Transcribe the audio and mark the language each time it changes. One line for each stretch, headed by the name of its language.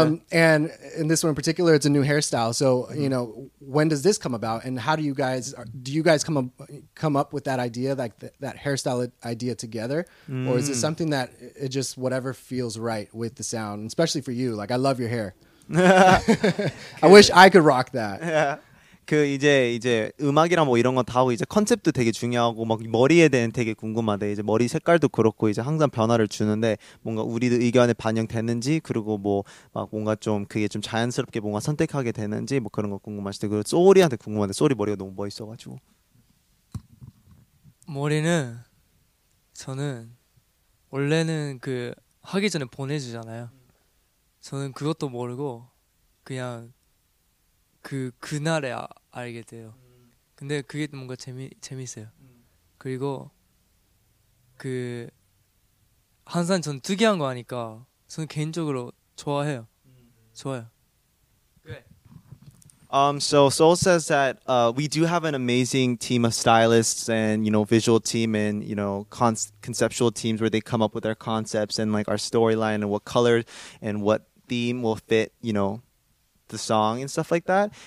English: And in this one in particular, it's a new hairstyle. So, you know, when does this come about? And how do you guys come up with that idea, like that hairstyle idea together? Or is it something that it just whatever feels right with the sound, especially for you? Like, I love your hair. I wish I could rock that.
Korean: 그 이제 음악이랑 뭐 이런 거 다 하고 이제 컨셉도 되게 중요하고 막 머리에 대한 되게 궁금하대. 이제 머리 색깔도 그렇고 이제 항상 변화를 주는데 뭔가 우리 의견에 반영됐는지 그리고 뭐 막 뭔가 좀 그게 좀 자연스럽게 뭔가 선택하게 되는지 뭐 그런 거 궁금하시대. 그리고 쏘리한테 궁금한데 쏘리 머리가 너무 멋있어 가지고. 머리는 저는 원래는 그 하기 전에 보내주잖아요. 저는 그것도 모르고 그냥 그 그날에 알게 돼요. 근데 그게 뭔가 재밌어요. 그리고 그 항상 전 특이한 거 하니까 저는 개인적으로 좋아해요. 좋아요.
English: So Seoul says that we do have an amazing team of stylists and, you know, visual team and, you know, conceptual teams where they come up with our concepts and like our storyline and what color and what theme will fit, you know, the song and stuff like that.